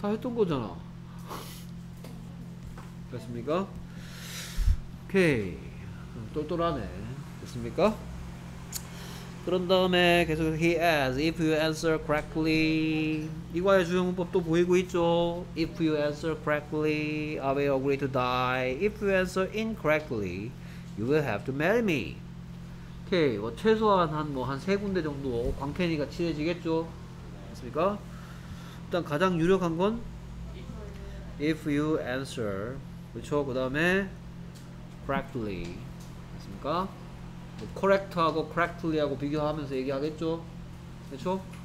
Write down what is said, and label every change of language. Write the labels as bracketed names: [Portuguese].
[Korean] 다 했던 거잖아. 됐습니까? 오케이. 똘똘하네. 됐습니까? 그런 다음에 계속 [English] he asks if you answer correctly. [Korean] 이거의 주요 문법 또 보이고 있죠. [English] If you answer correctly, I will agree to die. If you answer incorrectly, you will have to marry me. [Korean] 오케이. 뭐 최소한 한 뭐 한 세 군데 정도 광캐니가 친해지겠죠. 맞습니까? 일단 가장 유력한 건 [English] if you answer, [Korean] 그렇죠. 그 다음에 correctly, 맞습니까? 뭐 correct하고 correctly하고 비교하면서 얘기하겠죠. 그렇죠?